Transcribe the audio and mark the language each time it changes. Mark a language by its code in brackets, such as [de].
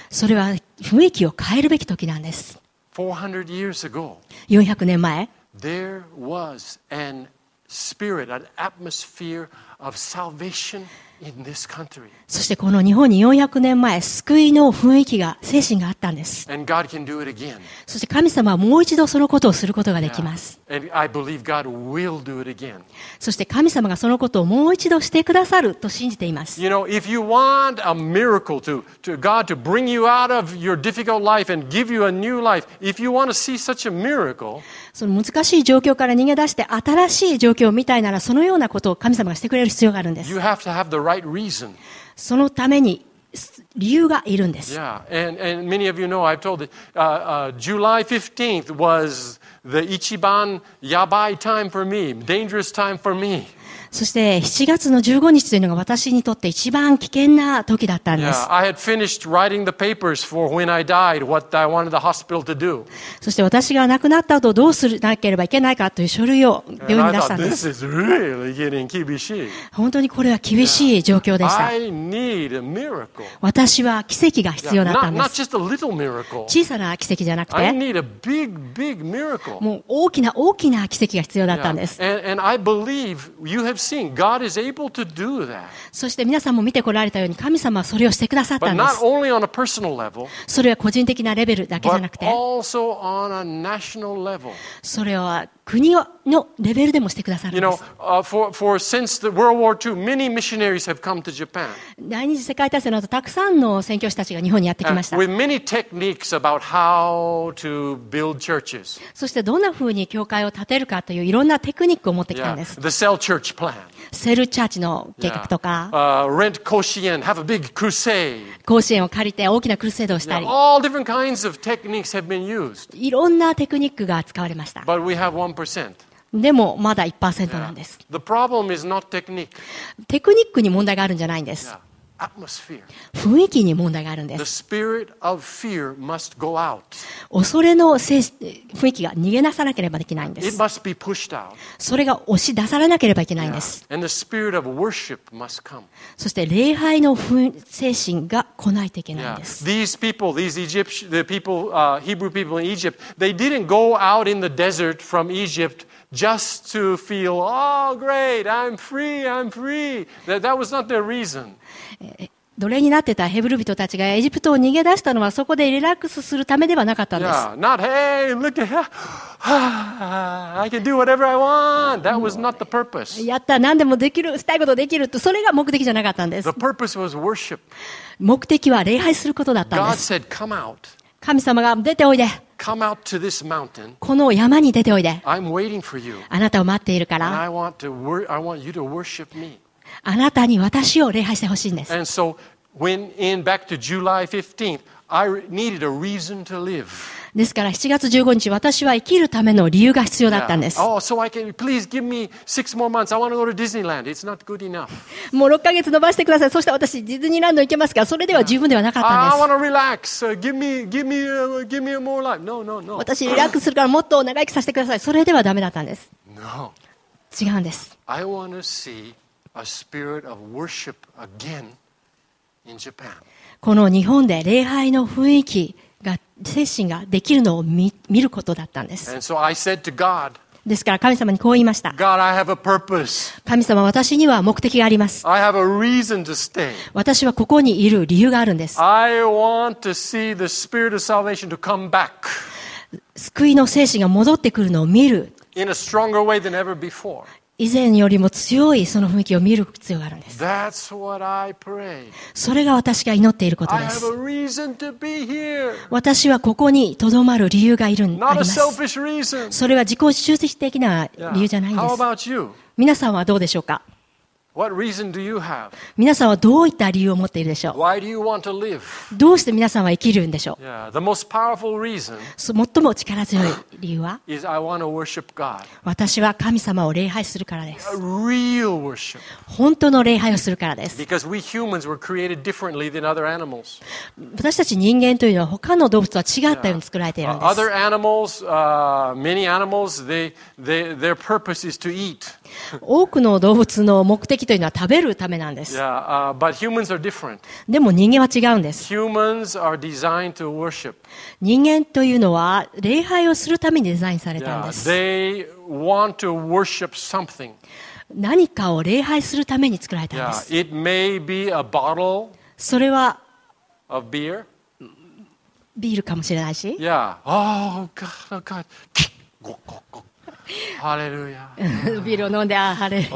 [ja] それは雰囲気を変えるべき時なんです。 [en] 400 years ago, [ja] 400年前、 [en] There was an spirit, an atmosphere of salvation. In this country. [ja] そしてこの日本に400年前救いの雰囲気が精神があったんです。 [en] And God can do it again. [ja] そして神様はもう一度そのことをすることができます。 [en] And I believe God will do it again. [ja] そして神様がそのことをもう一度してくださると信じています。 [en] You know, if you want a miracle to God to bring you out of your difficult life and give you a new life, if you want to see such a miracle, [ja] その難しい状況から逃げ出して新しい状況を見たいなら、そのようなことを神様がしてくれる必要があるんです。 [en] You have to have the right reason. [ja] そのために理由がいるんです。 [en] Yeah, and many of you know, I've told it, July 15th was the [ja] 一番やばい [en] time for me, dangerous time for me. [ja] そして7月の15日というのが私にとって一番危険な時だったんです。 [en] Yeah, I had finished writing the papers for when I died, what I wanted the hospital to do. [ja] そして私が亡くなった後どうするなければいけないかという書類を病院に出したんです。 [en] And I thought, this is really getting [ja] 厳しい。本当にこれは厳しい状況でした。 [en] I need a miracle. [ja] 私は奇跡が必要だったんです。 [en] Not just a little miracle. [ja] 小さな奇跡じゃなくて、 [en] I need a big, big miracle. [ja] もう大きな大きな奇跡が必要だったんです。 [en] And I believe you have seen, God is able to do that. [ja] そして皆さんも見てこられたように神様はそれをしてくださったんです。 [en] But not only on a personal level, [ja] それは個人的なレベルだけじゃなくて、 [en] but also on a national level. [ja] それは国のレベルでもしてくださるんです。 [en] You know, for since the World War II, many missionaries have come to Japan. [ja] 第二次世界大戦の後、たくさんの宣教師たちが日本にやってきました。 [en] With many techniques about how to build churches. [ja] そしてどんな風に教会を建てるかといういろんなテクニックを持ってきたんです。 [en] Yeah, the cell church plan. [ja] セルチャーチの計画とか、 [en] rent 甲子園、have a big crusade. [ja] 甲子園を借りて大きなクルセードをしたり。 [en] Yeah, all different kinds of techniques have been used. [ja] いろんなテクニックが使われました。 [en] But we have one percent. [ja] でもまだ 1% なんです。 [en] Yeah. The problem is not technique. [ja] テクニックに問題があるんじゃないんです。 [en] Yeah. Atmosphere. [ja] 雰囲気に問題があるんです。 [en] The spirit of fear must go out. [ja] 恐れの雰囲気が逃げ出さなければできないんです。 [en] It must be pushed out. [ja] それが押し出されなければいけないんです。 [en] Yeah. And the spirit of worship must come. [ja] そして礼拝の精神が来ないといけないんです。 [en] Yeah. These people, these Egyptian, the people, Hebrew people in Egypt, they didn't go out in the desert from Egypt. Just to feel, oh great, I'm free, I'm free. That was not their reason. [ja] 奴隷になってたヘブル人たちがエジプトを逃げ出したのはそこでリラックスするためではなかったんです。 [en] Yeah, not hey, look at that. I can do whatever I want. That was not the purpose. [ja] やった、何でもできる、したいことできるって、それが目的じゃなかったんです。 [en] The purpose was worship. [ja] 目的は礼拝することだったんです。 [en] God said, come out. [ja] 神様が出ておいで。 [en] Come out to this mountain. [ja] この山に出ておいで。 [en] I'm waiting for you. [ja] あなたを待っているから。 [en] And I want you to worship me. [ja] あなたに私を礼拝してほしいんです。 [en] And so, when in back to July 15th, I needed a reason to live. [ja] ですから7月15日、私は生きるための理由が必要だったんです。 [en] Yeah. Oh, so I can please give me six more months. I want to go to Disneyland. It's not good enough. [ja] もう6ヶ月延ばしてください。そして私ディズニーランド行けますか。それでは十分ではなかったんです。 [en] Yeah. I want to relax. Give me more life. No. [ja] 私リラックスするからもっと長生きさせてください。それではダメだったんです。 [en] No. [ja] 違うんです。 [en] I want to see a spirit of worship again in Japan. [ja] この日本で礼拝の雰囲気。精神ができるのを 見ることだったんです。 [en] And so I said to God, [ja] ですから神様にこう言いました。 [en] God, I have a purpose. [ja] 神様、私には目的があります。 [en] I have a reason to stay. [ja] 私はここにいる理由があるんです。 [en] I want to see the spirit of salvation to come back. [ja] 救いの精神が戻ってくるのを見る。 [en] In a stronger way than ever before. [ja] 以前よりも強いその雰囲気を見る必要があるんです。 [en] That's what I pray. [ja] それが私が祈っていることです。 [en] I have a reason to be here. [ja] 私はここに留まる理由がいるんです。 [en] Not a selfish reason. [ja] それは自己主張的な理由じゃないんです。 [en] How about you? [ja] 皆さんはどうでしょうか? [en] What reason do you have? [ja] 皆さんはどういった理由を持っているでしょう? [en] Why do you want to live? [ja] どうして皆さんは生きるんでしょう? [en] Yeah, the most powerful reason. [ja] 最も力強い理由は? [en] Is I want to worship God. [ja] 私は神様を礼拝するからです。 [en] Real worship. [ja] 本当の礼拝をするからです。 [en] Because we humans were created differently than other animals. [ja] 私たち人間というのは他の動物とは違ったように作られているんです。 [en] Other animals, many animals, their purpose is to eat. [ja] 多くの動物の目的というのは食べるためなんです。 [en] Yeah, but humans are different. [ja] でも人間は違うんです。 [en] Humans are designed to worship. [ja] 人間というのは礼拝をするためにデザインされたんです。 [en] Yeah, they want to worship something. [ja] 何かを礼拝するために作られたんです。 [en] Yeah, it may be a bottle. [ja] それは [en] of beer. [ja] ビールかもしれないし。 [en] Yeah. Oh God, oh God. キッ、ゴッゴッゴ。ハレルヤ。 [ja] ビールを飲んで、あ、ハレルヤ。